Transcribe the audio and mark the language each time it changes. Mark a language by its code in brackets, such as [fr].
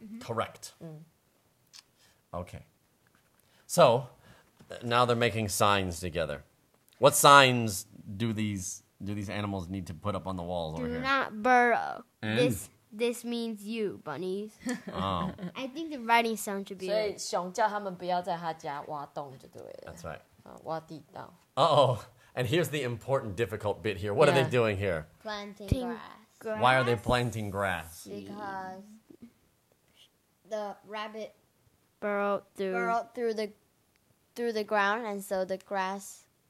[en] Mm-hmm. Correct. Mm. Okay. So, now they're making signs together. What signs do these animals need to put up on the walls over here? Do not burrow. This means you, bunnies. Oh. I think the writing sound should be. [zh] So, 熊叫他们不要在他家挖洞就对了. [en] That's right. [zh] 挖地道. [en] Uh-oh. And here's the important, difficult bit here. What are they doing here? Planting grass. Why are they planting grass? Because the rabbit burrowed through the ground, and so the grass.